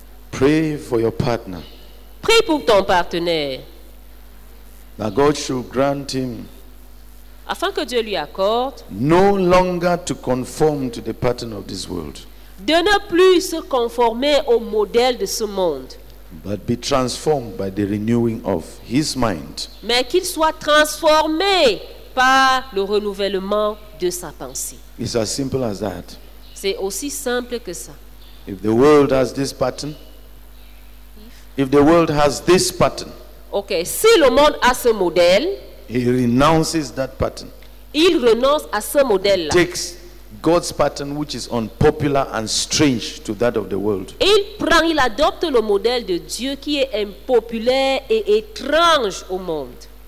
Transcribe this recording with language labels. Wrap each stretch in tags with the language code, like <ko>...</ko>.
<en>Pray for your partner.</en> <fr>Prie pour ton partenaire.</fr> <en>That God should grant him.</en> <fr>Afin que Dieu lui accorde.</fr> <en>No longer to conform to the pattern of this world.</en> <fr>De ne plus se conformer au modèle de ce monde.</fr> <en>But be transformed by the renewing of his mind.</en> <fr>Mais qu'il soit transformé par le renouvellement de sa pensée.</fr> <en>It's as simple as that.</en> <fr>C'est aussi simple que ça.</fr> <en>If the world has this pattern. If the world has this pattern,</en> <fr>okay, si le monde a ce modèle,</fr> <en>he renounces that pattern.</en> <fr>Il renonce à ce modèle-là.</fr> <en>Takes God's pattern, which is unpopular and strange to that of the world.</en> <fr>Il prend, il adopte le modèle de Dieu qui est impopulaire et étrange au monde.</fr>